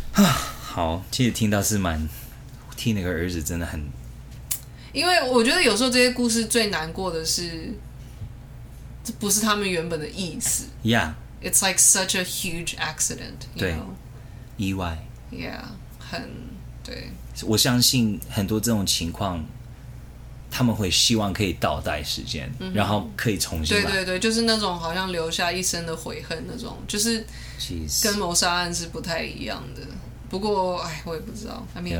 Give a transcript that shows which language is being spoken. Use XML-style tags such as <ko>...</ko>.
<zh>好，其实听到是蛮替那个儿子真的很，因为我觉得有时候这些故事最难过的是，这不是他们原本的意思。</zh> <en>Yeah. It's like such a huge accident. You</en> <zh>对</zh> <en>know?</en> <zh>意外。 Yeah. 很，对。我相信很多这种情况，他们会希望可以倒带时间，然后可以重新来。对对对，就是那种好像留下一生的悔恨那种，就是跟谋杀案是不太一样的。不过，哎，我也不知道。I mean,</zh>